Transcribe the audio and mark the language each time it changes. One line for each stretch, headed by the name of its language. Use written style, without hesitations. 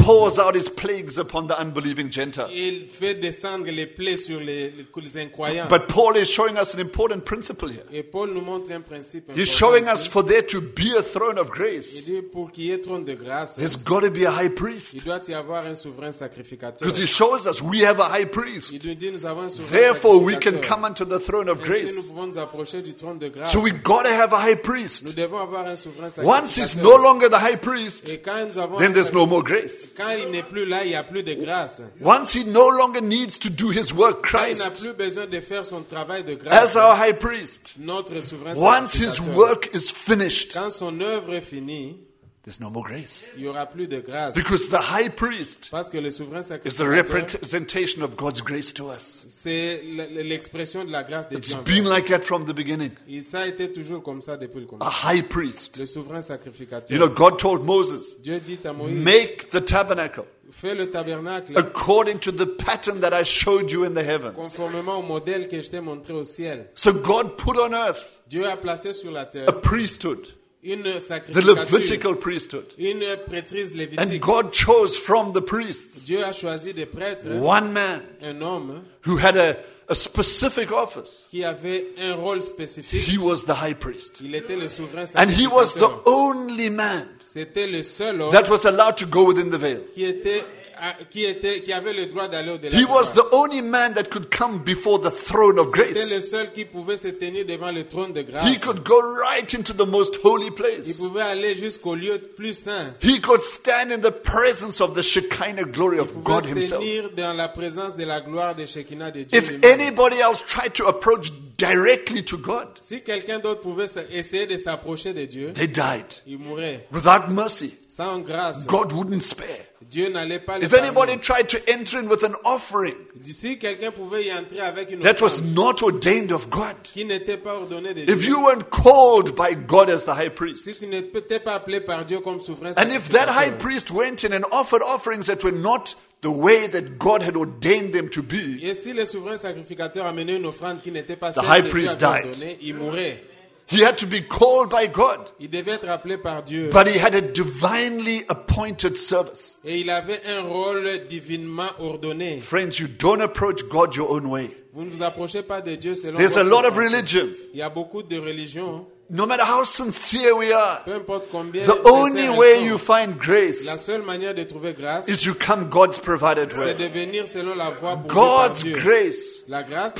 English: He pours out his plagues upon the unbelieving Gentiles
French: il fait descendre les plaies sur les incroyants
English: but Paul is showing us an important principle here
French: et Paul nous
English: He's showing us for there to be a throne of grace.
French: Il dit pour qu'il y ait trône de grâce.
English: There's got to be a high priest.
French: Il doit y avoir un souverain sacrificateur.
English: Because he shows us we have a high priest.
French: Il nous dit nous avons un souverain.
English: Therefore we can come unto the throne of grace.
French: Nous pouvons nous approcher du trône de grâce.
English: So we got to have a high priest.
French: Nous devons avoir un souverain sacrificateur.
English: Once he's no longer the high priest,
French: et quand nous avons
English: then there's no more grace.
French: Quand il n'est plus là, il y a plus de grâce.
English: Once he no longer needs to do his work, Christ.
French: Quand il n'a plus besoin de faire son travail de grâce.
English: As our high priest.
French: Notre souverain
English: sacrificateur. Once his work is finished,
French: quand son œuvre est finie,
English: there's no more grace.
French: Il y aura plus de grâce.
English: Because the high priest,
French: parce que le souverain sacrificateur,
English: is the representation of God's grace to us.
French: C'est l'expression de la grâce de
English: It's
French: Dieu.
English: It's been like that from the beginning.
French: Et ça a été toujours comme ça depuis le commencement.
English: A high priest,
French: le souverain sacrificateur.
English: You know, God told Moses,
French: Dieu dit à Moïse,
English: make the tabernacle.
French: Fais le tabernacle
English: according to the pattern that I showed you in the heavens.
French: Conformément au modèle que je t'ai montré au ciel.
English: So God put on earth.
French: Dieu a placé sur la terre
English: a priesthood.
French: Une sacrificature.
English: The Levitical priesthood.
French: Une prêtrise lévitique.
English: And God chose from the priests.
French: Dieu a choisi des prêtres.
English: One man.
French: Un homme.
English: Who had a specific office.
French: Qui avait un rôle spécifique.
English: He was the high priest.
French: Il était le souverain sacrificateur.
English: And he was the only man.
French: C'était le seul homme
English: that was allowed to go within the veil.
French: Qui avait le droit d'aller au-delà.
English: He was the only man that could come before the throne of grace.
French: C'était le seul qui pouvait se tenir devant le trône de grâce.
English: He could go right into the most holy place.
French: Il pouvait aller jusqu'au lieu plus saint.
English: He could stand in the presence of the Shekinah glory of God himself.
French: Il pouvait se tenir dans la présence de la gloire de Shekinah de Dieu.
English: If anybody else tried to approach directly to God,
French: si quelqu'un d'autre pouvait essayer de s'approcher de Dieu,
English: they died.
French: Ils mouraient.
English: Without mercy,
French: sans grâce,
English: God wouldn't spare.
French: Dieu n'allait pas le
English: If anybody
French: parler.
English: Tried to enter in with an offering,
French: si quelqu'un pouvait y entrer avec une
English: that offrande, was not ordained of God,
French: qui n'était pas ordonné de
English: if
French: Dieu,
English: you weren't called by God as the high priest,
French: si tu n'étais pas appelé par Dieu comme souverain,
English: and if that high priest went in and offered offerings that were not the way that God had ordained them to be,
French: et si le souverain sacrificateur amenait une offrande qui n'était pas
English: the high priest died.
French: Ordonné, il mourait.
English: He had to be called by God.
French: Il devait être appelé par Dieu.
English: But he had a divinely appointed service.
French: Et il avait un rôle divinement ordonné.
English: Friends, you don't approach God your own way.
French: Vous ne vous approchez pas de Dieu selon
English: There's a lot of religions.
French: Il y a beaucoup de religions.
English: No matter how sincere we are,
French: peu importe combien
English: the only way
French: sont,
English: you find grace,
French: la seule manière de trouver grâce,
English: is you come God's provided way.
French: C'est de venir selon la voie pourvue
English: God's
French: par Dieu.
English: Grace
French: la grâce de